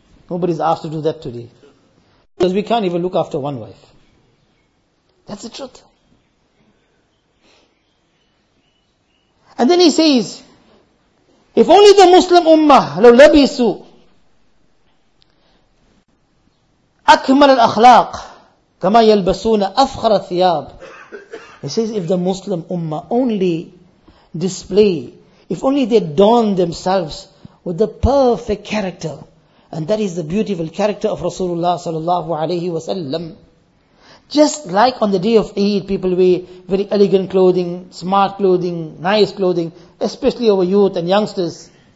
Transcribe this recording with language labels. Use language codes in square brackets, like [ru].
[en] Nobody's asked to do that today. Because we can't even look after one wife. That's the truth. And then he says, if only the Muslim ummah, [ar] لو لبسوا, أكمل الأخلاق كما يلبسون أفخر الثياب. [en] He says, if the Muslim Ummah only display, if only they don themselves with the perfect character, and that is the beautiful character of Rasulullah sallallahu alayhi wa sallam. Just like on the day of Eid, people wear very elegant clothing, smart clothing, nice clothing, especially our youth and youngsters.